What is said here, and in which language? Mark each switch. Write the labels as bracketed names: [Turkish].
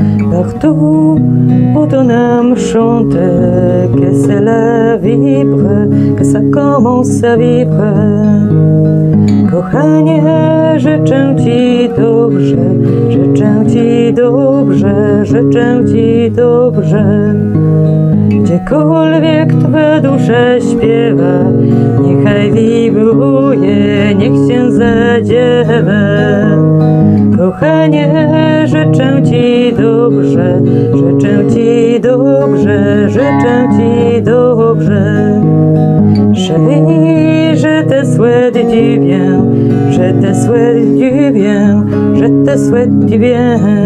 [French] Partout où ton âme chante, que cela vibre, que ça commence à vivre. [Polish] Kochanie, życzę ci dobrze, życzę ci dobrze, życzę ci dobrze. Gdziekolwiek twa dusza śpiewa, niechaj wibruje, niech się zadziewa. Kochanie, życzę ci dobrze, życzę ci dobrze, życzę ci dobrze. [French] Chérie, je te souhaite du bien, je te souhaite du bien, je te souhaite du bien.